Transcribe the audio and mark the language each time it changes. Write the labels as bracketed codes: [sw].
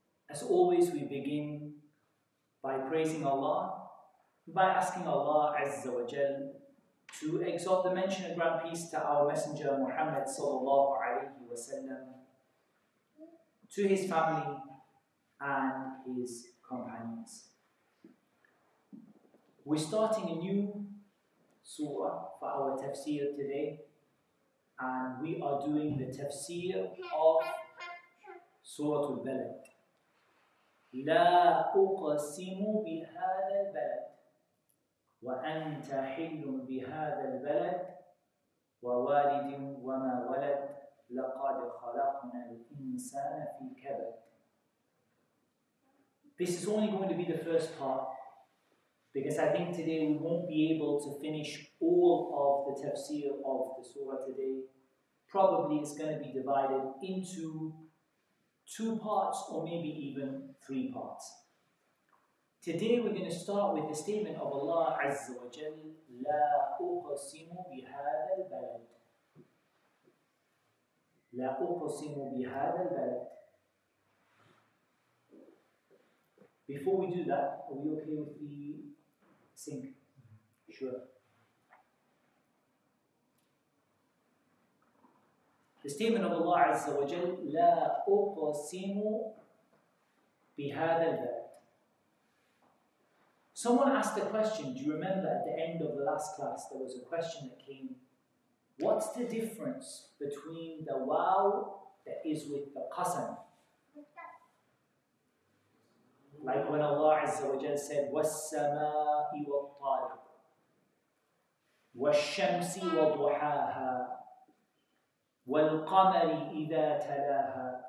[en] As always, we begin by praising Allah, by asking Allah Azza wa Jal to exalt the mention and grant peace to our Messenger Muhammad sallallahu alayhi wa sallam, to his family and his companions. We're starting a new surah for our tafsir today, and we are doing the tafsir of Surah Al-Balad. [ar] لا أقسم بهذا البلد وأنت حل بهذا البلد ووالد وما ولد لقد خلقنا الإنسان في كبد. [en] This is only going to be the first part, because I think today we won't be able to finish all of the tafsir of the surah today. Probably it's going to be divided into two parts, or maybe even three parts. Today we're going to start with the statement of Allah Azza wa Jal, [ar] La uqasimu bihada al-balad. La uqasimu bihada al-balad. [en] Before we do that, are we okay with the sink? Sure. The statement of Allah Azza wa Jal, [ar] لا أقسم بهذا البلد. [en] Someone asked a question. Do you remember at the end of the last class, there was a question that came, what's the difference between the waw that is with the qasam? Like when Allah Azza wa Jal said, [ar] وَالسَّمَاءِ وَالطَّارِقِ وَالشَّمْسِ وَضُحَاهَا وَالْقَمَرِ إِذَا تَلَاهَا.